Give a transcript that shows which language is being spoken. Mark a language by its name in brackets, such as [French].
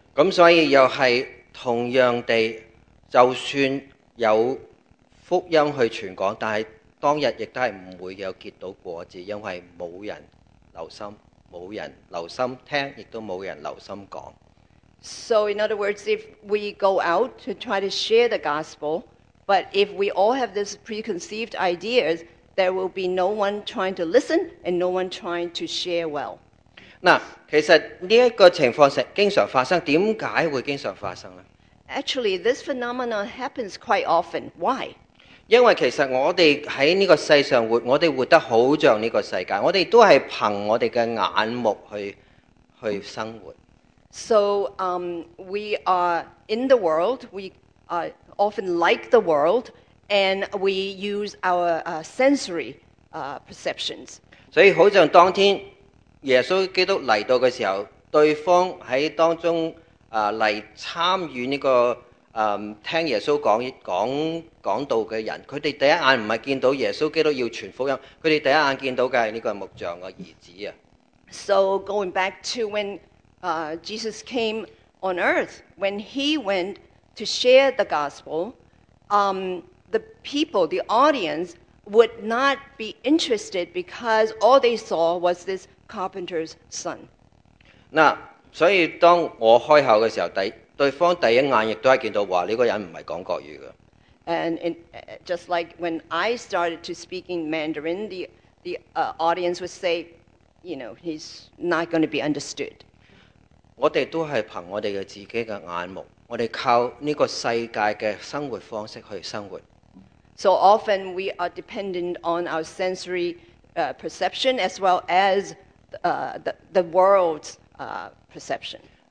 [Cantonese] 咁所以又係同樣地。就算有福音去傳講，但係當日亦都係唔會有結到果子，因為冇人留心，冇人留心聽，亦都冇人留心講。 [English] So in other words, if we go out to try to share the gospel, but if we all have this preconceived ideas, there will be no one trying to listen and no one trying to share well. [Cantonese] 嗱，其實呢一個情況成經常發生，點解會經常發生咧？ [English] Actually, this phenomenon happens quite often. Why? [Cantonese] 因為其實我哋喺呢個世上活，我哋活得好像呢個世界，我哋都係憑我哋嘅眼目去生活。 [English] So, we are in the world. We are often like the world, and we use our sensory perceptions. [Cantonese] 所以好像當天耶穌基督嚟到嘅時候，對方喺當中。嚟參與呢、這個聽耶穌講道嘅人，佢哋第一眼唔係見到耶穌基督要傳福音，佢哋第一眼見到嘅係呢個木匠個兒子啊。 [English] So going back to when Jesus came on earth, when he went to share the gospel, the people, the audience would not be interested because all they saw was this carpenter's son. [Cantonese] 那所以當我開口嘅時候，對方第一眼亦都係見到話呢個人唔係講國語嘅。 [English] And in, just like when I started to speak in Mandarin, the audience would say, you know, he's not going to be understood. [Cantonese] 我哋都係憑我哋嘅自己嘅眼目，我哋靠呢個世界嘅生活方式去生活。 [English] So often we are dependent on our sensory perception as well as the world's perception.